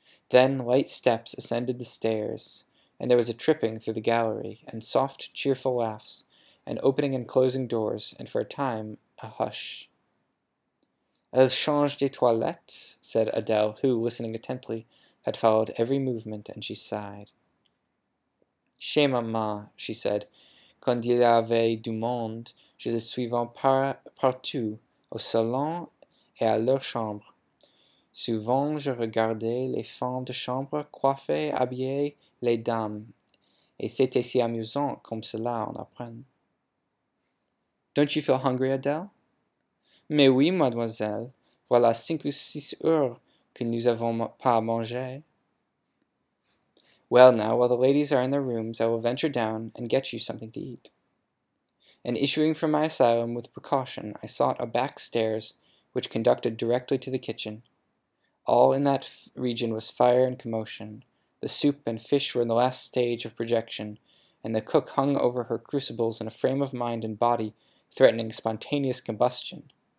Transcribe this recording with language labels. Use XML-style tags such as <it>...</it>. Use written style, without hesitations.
<en>Then light steps ascended the stairs, and there was a tripping through the gallery, and soft, cheerful laughs, and opening and closing doors, and for a time, a hush.</en> <fr>"Elle change de toilette,"</fr> <en>said Adele, who, listening attentively, had followed every movement, and she sighed.</en> <fr>"Chez maman,"</fr> <en>she said,</en> <fr>"quand il y avait du monde, je le suivais partout, au salon et à leur chambre. Souvent je regardais les femmes de chambre coiffées, habillées, les dames, et c'était si amusant comme cela on apprend."</fr> <en>"Don't you feel hungry, Adele?"</en> <fr>"Mais oui, mademoiselle, voilà 5 ou 6 heures que nous avons pas mangé."</fr> <en>"Well, now, while the ladies are in their rooms, I will venture down and get you something to eat." And issuing from my asylum with precaution, I sought a back stairs which conducted directly to the kitchen. All in that region was fire and commotion. The soup and fish were in the last stage of projection, and the cook hung over her crucibles in a frame of mind and body threatening spontaneous combustion.</en>